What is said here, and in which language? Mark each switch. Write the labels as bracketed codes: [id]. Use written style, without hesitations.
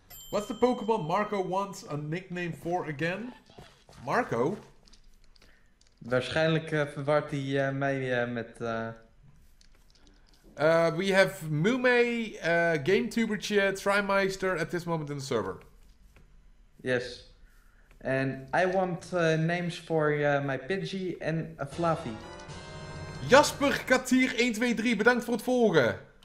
[en] What's the Pokémon Marco wants a nickname for again? Marco? [nl] Waarschijnlijk verwart hij mij met... [en] We have Mumei, GameTubertje, Trimeister at this moment in the server. Yes. And I want names for my Pidgey and a Flaffy. [nl] Jasper Katier 123, bedankt voor het volgen.